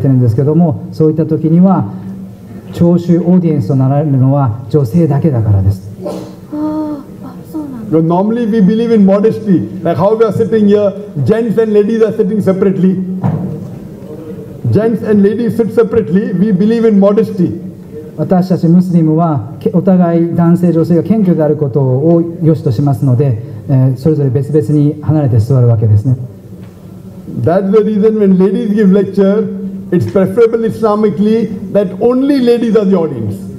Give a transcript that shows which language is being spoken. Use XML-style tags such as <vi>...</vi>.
<ja>今、今って言いますか、あなたが見てこられてないのは、女性の学者、例えば私の妻なんかも、各地で講演をさせていただいてるんですけども、そういった時には、 聴衆オーディエンスとなられるのは女性だけだからです。ああ、そうなんだ。</ja> <en>Normally we believe in modesty. Like how we are sitting here, gents and ladies are sitting separately. Gents and ladies sit separately. We believe in modesty.</en> <ja>私たちムスリムはお互い男性女性が謙虚であることを良しとしますので、それぞれ別々に離れて座るわけですね。</ja> <en>That's the reason when ladies give lecture, it's preferable Islamically that only ladies are the audience.</en>